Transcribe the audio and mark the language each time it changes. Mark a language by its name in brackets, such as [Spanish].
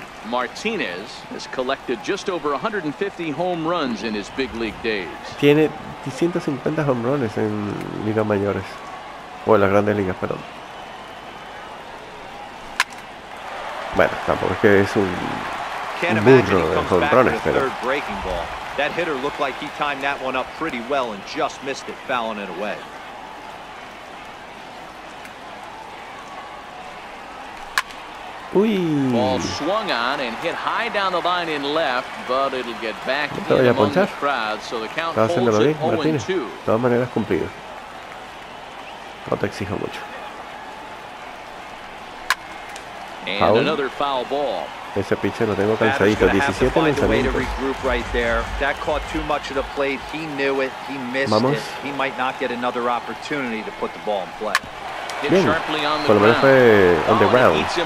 [English] Martinez has collected just over 150 home runs in his big league days. [Spanish] Tiene 150 home runs en ligas mayores. O en las grandes ligas, perdón. Bueno, tampoco es que es un burro de home runs, pero [English] that hitter looked like he timed that one up pretty well and just missed it, fouling it away. Uy. Ball swung on and hit high down the line in left, but it'll get back to the among the crowd, so the count holds at 0-2. [Spanish] De todas maneras cumplido. No te exijo mucho. [English] And Paul, another foul ball. [Spanish] Ese pitcher lo tengo cansadito. 17 lanzamientos. [English] Right there. That caught too much of the plate. He knew it. He missed [Spanish] Vamos. [English] It. He might not get another opportunity to put the ball in play. [Spanish] Bien, por lo menos fue [English] on the ground.